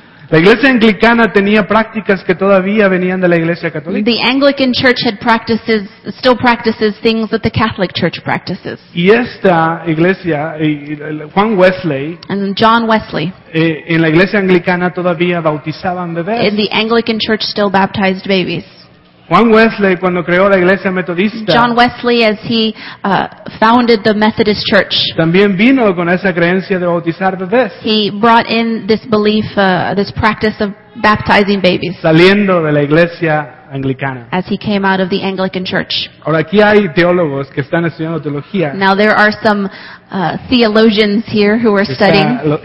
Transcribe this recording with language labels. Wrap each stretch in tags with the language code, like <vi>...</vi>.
<es>La iglesia anglicana tenía prácticas que todavía venían de la iglesia católica.</es> <en>The Anglican church had practices, still practices things that the Catholic church practices.</en> <es>Y esta iglesia, Juan Wesley,</es> <en>and John Wesley,</en> <es>en la iglesia anglicana todavía bautizaban bebés.</es> <en>In the Anglican church still baptized babies.</en> <es>Juan Wesley, cuando creó la iglesia metodista,</es> <en>John Wesley, as he founded the Methodist Church,</en> <es>también vino con esa creencia de bautizar bebés.</es> <en>He brought in this belief, this practice of baptizing babies.</en> <es>Saliendo de la iglesia anglicana.</es> <en>As he came out of the Anglican Church.</en> <es>Ahora aquí hay teólogos que están estudiando teología.</es> <en>Now there are some theologians here who are studying.</en>